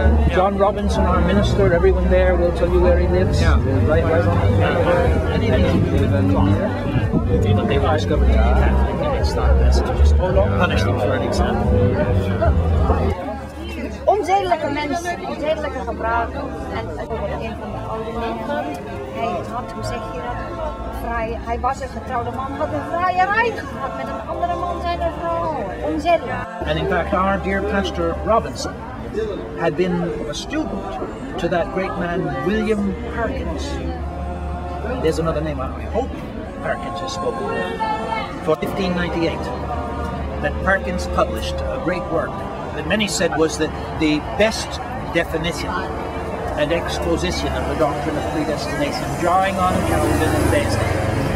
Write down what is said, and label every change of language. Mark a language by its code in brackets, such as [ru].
[en] John Robinson, our minister, everyone there will tell you where he lives. Yeah. Right on. But they are discovered to be Catholic, and it's not best to just punish them for an example. [nl] Onzedelijke mensen, onzedelijke gebruiken. En een van de oude mannen, hij had, hoe zeg je dat? Hij was een getrouwde man, had een vrijerij gehad met een andere man zijn vrouw. Onzedelijk. [en] And in fact, our dear Pastor Robinson had been a student to that great man William Perkins. There's another name, I hope Perkins has spoken for 1598, that Perkins published a great work that many said was the best definition and exposition of the doctrine of predestination, drawing on Calvin and Bezdin.